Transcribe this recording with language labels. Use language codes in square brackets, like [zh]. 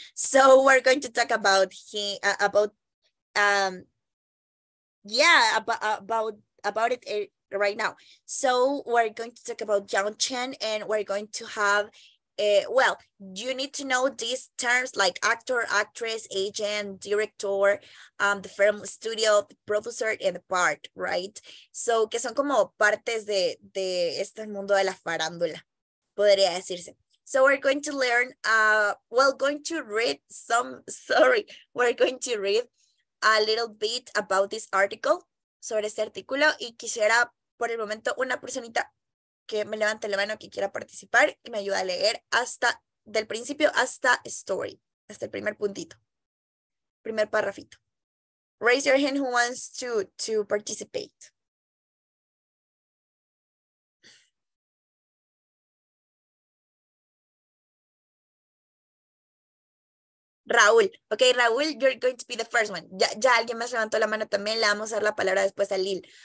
[en] So we're going to talk about him, about it right now. So we're going to talk about John Chen, and we're going to have well, you need to know these terms like actor, actress, agent, director, the film studio, the producer, and the part, right? [es] So, que son como partes de este mundo de la farándula, podría decirse. [en] So, we're going to learn, we're going to read a little bit about this article, [es] sobre este artículo, y quisiera, por el momento, una personita que me levante la mano, que quiera participar y me ayuda a leer hasta del principio hasta story, hasta el primer puntito, primer párrafito. [en] Raise your hand who wants to participate. Raúl, okay, Raúl, you're going to be the first one. [es] Ya alguien más levantó la mano también, le vamos a dar la palabra después a Lil.